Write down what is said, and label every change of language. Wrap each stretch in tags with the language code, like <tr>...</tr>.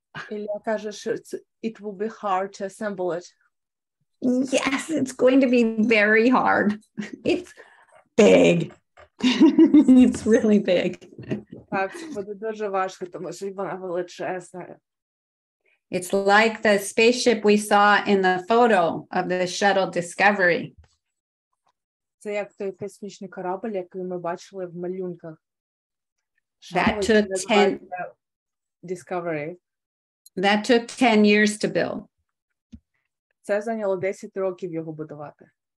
<uk>Ілля каже, що</uk> <en>it will be hard to assemble it. Yes, it's going to be very hard. It's big. It's really big.</en> <uk>Так, буде дуже важко, тому що вона величезна.</uk> <en>It's like the spaceship we saw in the photo of the shuttle Discovery.</en> <uk>Це як той космічний корабль, який ми бачили в малюнках.</uk> <en>That took 10 Discovery. That took 10 years to build.</en> <uk>Це зайняло 10 років його будувати.</uk>